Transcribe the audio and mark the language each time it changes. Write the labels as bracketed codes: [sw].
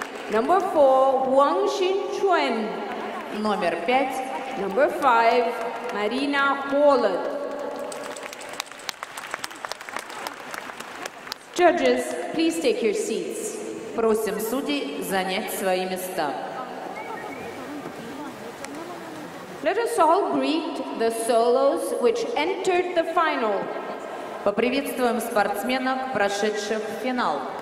[en] Number four, Wang Xin Chuen. [ru] Номер пять. [en] Number five, Marina Hollett. Judges, please take your seats. [ru] Просим судей занять свои места. [en] Let us all greet the solos which entered the final. [ru] Поприветствуем спортсменов, прошедших финал.